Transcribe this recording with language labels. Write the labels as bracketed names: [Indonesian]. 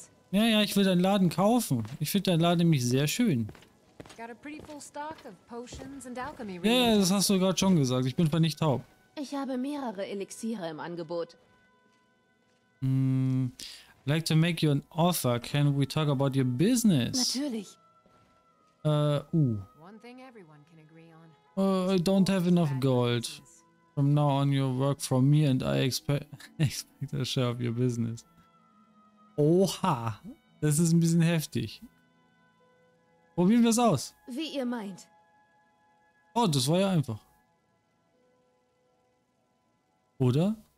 [German] Ja, ja, ich will deinen Laden kaufen. Ich finde deinen Laden nämlich sehr schön. Ja, ja, das hast du gerade schon gesagt. Ich bin zwar nicht taub. Ich habe mehrere Elixiere im Angebot. [English] I'd like to make you an offer. Can we talk about your business? [German] Natürlich. [English] I don't have enough gold. From now on, you work for me and I expect a share of your business. [German] Oha, das ist ein bisschen heftig. Probieren wir es aus. Wie ihr meint. Oh, das war ja einfach. Oder?